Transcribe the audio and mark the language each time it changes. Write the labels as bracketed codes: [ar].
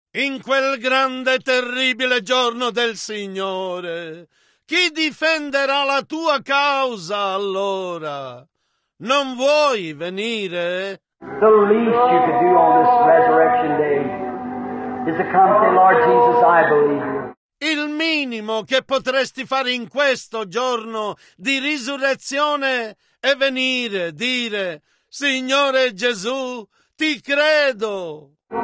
[it] In quel grande terribile giorno del Signore, chi difenderà la tua causa allora? Non vuoi venire? [en] The least you could do on this resurrection day is to come to the Lord Jesus, I believe you. [it] Il minimo che potresti fare in questo giorno di risurrezione è venire, dire: Signore Gesù, ti credo.